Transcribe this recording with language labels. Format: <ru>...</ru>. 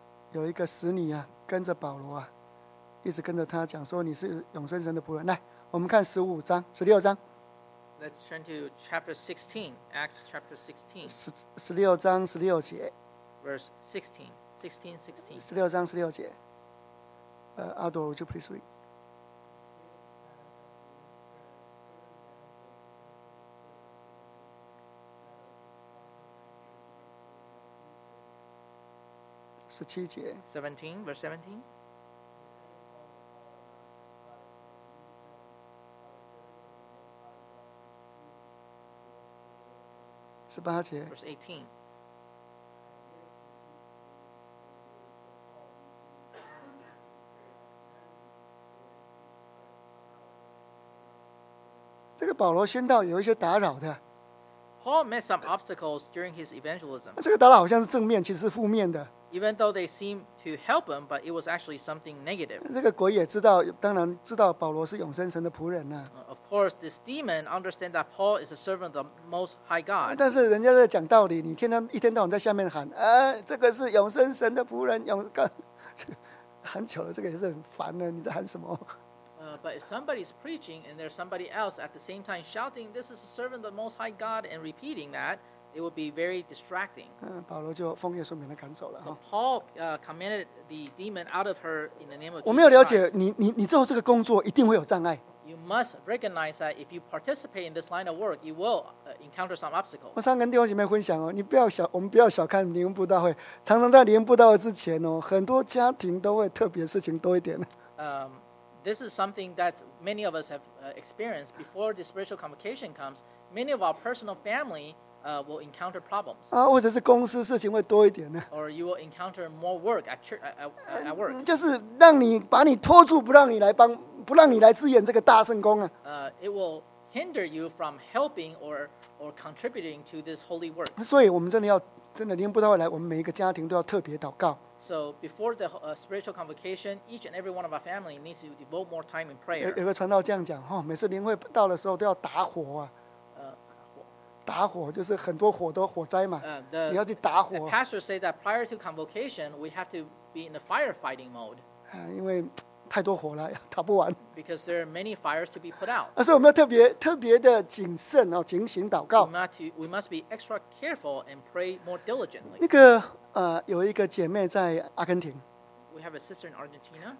<zh>有一个使女啊，跟着保罗啊，一直跟着他讲说你是永生神的仆人。来，我们看15章、16章。</zh> <en>Let's turn to chapter 16, Acts chapter 16.</en> <zh>16章16节。</zh> <en>Verse</en> <zh>16, 16, 16. 16章16节。</zh> <en>Ador, would you please read?</en> <zh>17节。</zh> <en>17, verse 17.</en> <zh>十八节。</zh> <en>Verse 18。</en> <zh>这个保罗宣道有一些打扰的。</zh> <en>Paul met some obstacles during his evangelism.</en> <zh>这个打扰好像是正面，其实是负面的。</zh> <en>Even though they seem to help him, but it was actually something negative.</en> <zh>这个鬼也知道，当然知道保罗是永生神的仆人啊。</zh> <en>Of course, this demon understands that Paul is a servant of the Most High God.</en> <zh>但是人家在讲道理，你天天一天到晚在下面喊，啊，这个是永生神的仆人，永干，喊久了这个也是很烦的，你在喊什么？</zh> <en>But if somebody's preaching and there's somebody else at the same time shouting, this is a servant of the Most High God, and repeating that, it would be very distracting.</en> <zh>保罗就奉耶稣名的赶走了。</zh> <en>So Paul commanded the demon out of her in the name of Jesus.</en> <zh>我没有了解你做这个工作一定会有障碍。</zh> <en>You must recognize that if you participate in this line of work, you will encounter some obstacles.</en> <zh>我常跟弟兄姐妹分享哦，我们不要小看灵恩布道会，常常在灵恩布道会之前哦，很多家庭都会特别事情多一点。</zh> <en>This is something that many of us have experienced before the spiritual convocation comes. Many of our personal family will encounter problems.</en> <zh>啊，或者是公司事情会多一点呢。</zh> <en>Or you will encounter more work at work.</en> <zh>就是让你把你拖住，不让你来帮，不让你来支援这个大圣工啊。</zh> <en>It will hinder you from helping or contributing to this holy work.</en> <zh>所以我们真的要真的灵恩布道会来，我们每一个家庭都要特别祷告。</zh> <en>So before the spiritual convocation, each and every one of our family needs to devote more time in prayer.</en> <zh>有个传道这样讲，哦，每次灵会到的时候都要打火啊。打火就是很多火都火灾嘛，你要去打火。</zh> <en>The pastor said that prior to convocation, we have to be in a firefighting mode.</en> <zh>因为太多火了，打不完。</zh> <en>Because there are many fires to be put out.</en> <zh>所以我们要特别的谨慎哦，警醒祷告。</zh> <en>We must be extra careful and pray more diligently.</en> <zh>那个。有一个姐妹在阿根廷。</zh> <en>We have a sister in Argentina.</en>